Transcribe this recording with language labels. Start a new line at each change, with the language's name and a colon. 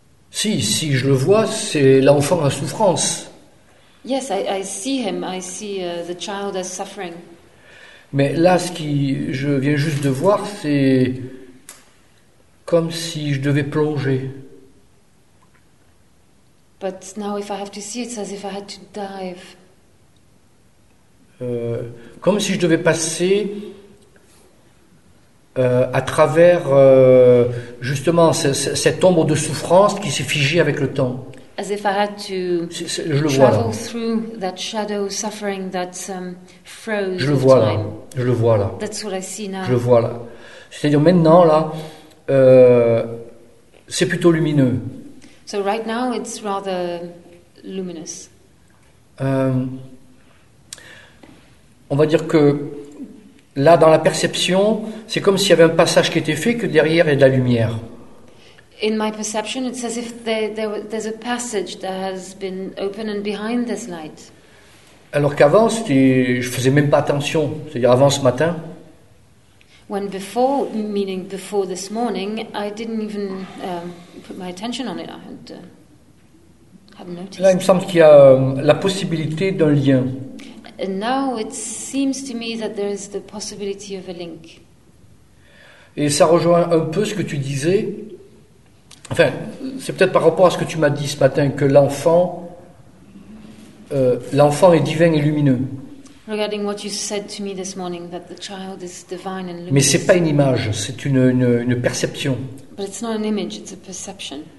French: Si, si je le vois, c'est l'enfant en souffrance.
English: Yes, I see him. I see the child as suffering.
French: Mais là, ce que je viens juste de voir, c'est comme si je devais plonger.
English: But now, if I have to see, it's as if I had to dive.
French: Comme si je devais passer à travers justement cette ombre de souffrance qui s'est figée avec le temps.
English: As if I had to
French: je le vois,
English: travel through that shadow suffering that froze.
French: Je le vois là. Je le vois là.
English: That's what I see now.
French: Je le vois là. C'est-à-dire maintenant là, c'est plutôt lumineux.
English: So right now it's rather luminous.
French: On va dire que là, dans la perception, c'est comme s'il y avait un passage qui était fait, que derrière il y a de la lumière.
English: In my perception, it's as if there's a passage that has been opened and behind this light.
French: Alors qu'avant, c'était, je faisais même pas attention. C'est-à-dire avant ce matin.
English: When before, meaning before this morning, I didn't even put my attention on it. I hadn't noticed.
French: Là, il me semble qu'il y a la possibilité d'un lien.
English: And now it seems to me that there is the possibility of a link.
French: Et ça rejoint un peu ce que tu disais. Enfin, c'est peut-être par rapport à ce que tu m'as dit ce matin que l'enfant est divin et lumineux.
English: Regarding what you said to me this morning, that the child is divine and luminous.
French: Mais c'est pas une image, c'est une perception.
English: But it's not an image, it's a perception.